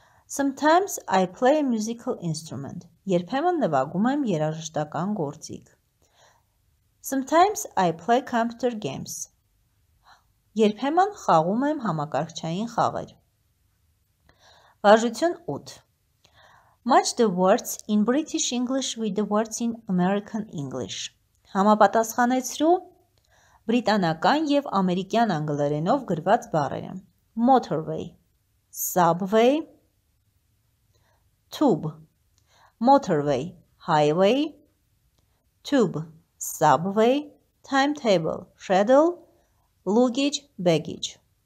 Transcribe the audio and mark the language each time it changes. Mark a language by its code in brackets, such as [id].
[en] Sometimes I play a musical instrument. [hy] Երբեմն նվագում եմ երաժշտական գործիք. [en] Sometimes I play computer games. [hy] Երբեմն խաղում եմ համակարգչային խաղեր. Վարժություն 8. [en] Match the words in British English with the words in American English. [hy] Համապատասխանեցրու բրիտանական եւ ամերիկյան անգլերենով գրված բառերը. [en] Motorway, subway, tube, motorway, highway, tube, subway, timetable, schedule, luggage, baggage.